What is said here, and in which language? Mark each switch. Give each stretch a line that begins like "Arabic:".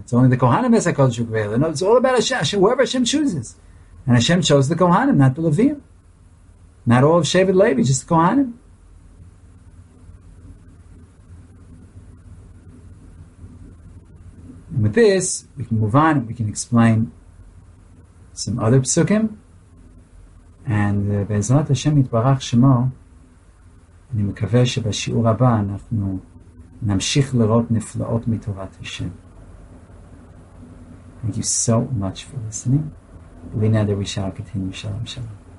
English: It's only the Kohanim is a kodesh v'kvela. No, it's all about Hashem. Whoever Hashem chooses, and Hashem chose the Kohanim, not the Levim. Not all of Shevet Levi, just the Kohanim. And we with this, we can move on. We can explain some other psukim.
Hebrew: And Be'ezrat Hashem Yitbarach Shemo, אני מקווה שבשיעור הבא אנחנו נמשיך לראות נפלאות מתורת השם.
English: Thank you so much for listening. We know that we shall continue. Shalom, shalom.